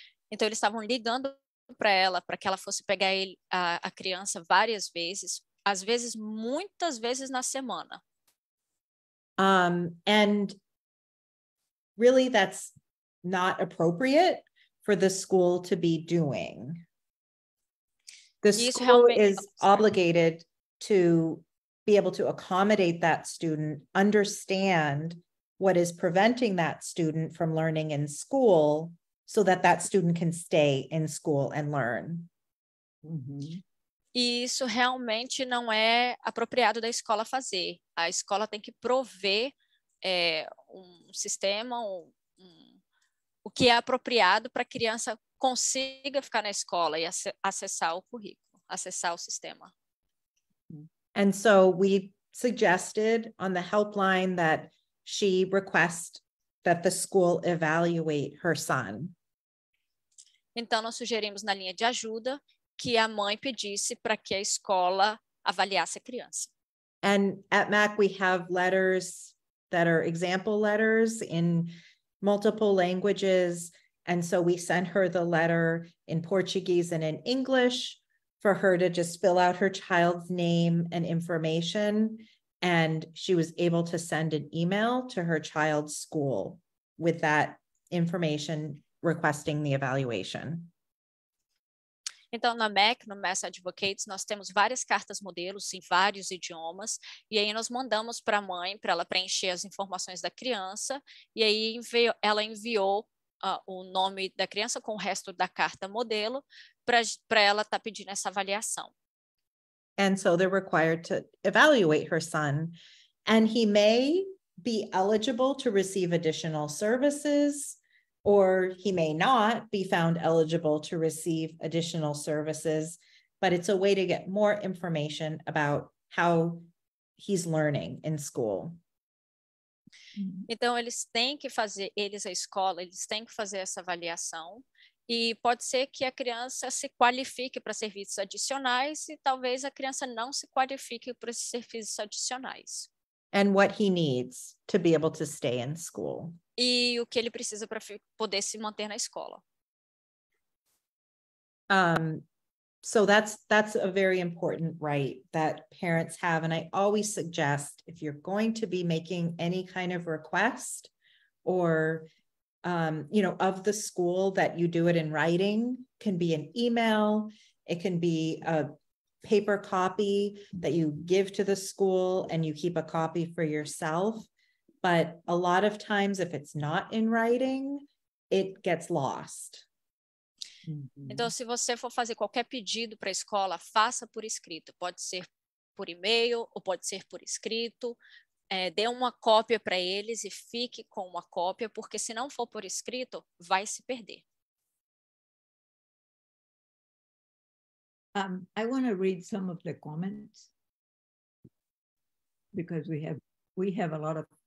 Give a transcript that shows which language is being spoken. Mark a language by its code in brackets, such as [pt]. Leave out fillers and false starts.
[pt] Então eles estavam ligando para ela, para que ela fosse pegar a criança várias vezes, às vezes muitas vezes na semana. [en] And really that's not appropriate for the school to be doing. The school is obligated to be able to accommodate that student, understand what is preventing that student from learning in school so that that student can stay in school and learn. [pt] E isso realmente não é apropriado da escola fazer. A escola tem que prover sistema, o que é apropriado para a criança consiga ficar na escola e acessar o currículo, acessar o sistema. [en] And so we suggested on the helpline that she request that the school evaluate her son. [pt] Então nós sugerimos na linha de ajuda que a mãe pedisse para que a escola avaliasse a criança. [en] And at MAC we have letters that are example letters in multiple languages. And so we sent her the letter in Portuguese and in English, for her to just fill out her child's name and information And she was able to send an email to her child's school with that information requesting the evaluation. [pt] Então, na MEC, no Mass Advocates, nós temos várias cartas modelos em vários idiomas, e aí nós mandamos para a mãe para ela preencher as informações da criança, e aí ela enviou o nome da criança com o resto da carta modelo para ela estar pedindo essa avaliação. [en] And so they're required to evaluate her son, and he may be eligible to receive additional services, or he may not be found eligible to receive additional services, but it's a way to get more information about how he's learning in school. [pt] Então, eles têm que fazer, eles, a escola, eles têm que fazer essa avaliação, e pode ser que a criança se qualifique para serviços adicionais, e talvez a criança não se qualifique para esses serviços adicionais. [en] And what he needs to be able to stay in school. [pt] E o que ele precisa para poder se manter na escola. [en] So that's a very important right that parents have. And I always suggest if you're going to be making any kind of request or, you know, of the school, that you do it in writing. It can be an email. It can be a paper copy that you give to the school and you keep a copy for yourself. But a lot of times, if it's not in writing, it gets lost. [pt] Então, se você for fazer qualquer pedido para a escola, faça por escrito. Pode ser por e-mail ou pode ser por escrito. Dê uma cópia para eles e fique com uma cópia, porque se não for por escrito, vai se perder. [en] I want to read some of the comments because we have a lot of